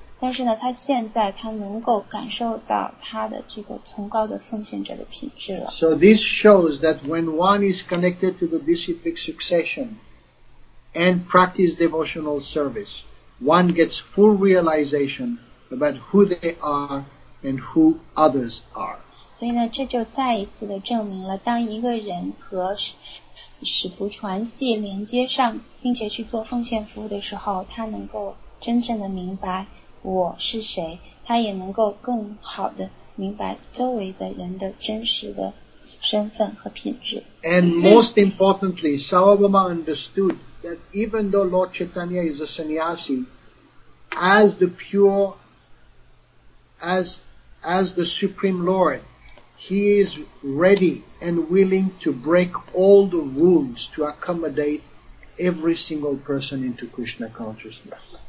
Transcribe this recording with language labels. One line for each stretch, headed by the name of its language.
Chinese: 但是呢，他现在他能够感受到他的这个崇高的奉献者的品质了。
English: So this shows that when one is connected to the disciplic succession and practice devotional service, one gets full realization about who they are and who others are.
Chinese: 所以呢，这就再一次的证明了，当一个人和使徒传系连接上，并且去做奉献服务的时候，他能够真正的明白我是谁，他也能够更好的明白周围的人的真实的身份和品质。
English: And most importantly, Sarvabhauma understood that even though Lord Chaitanya is a sannyasi, as the Supreme Lord, he is ready and willing to break all the rules to accommodate every single person into Krishna consciousness.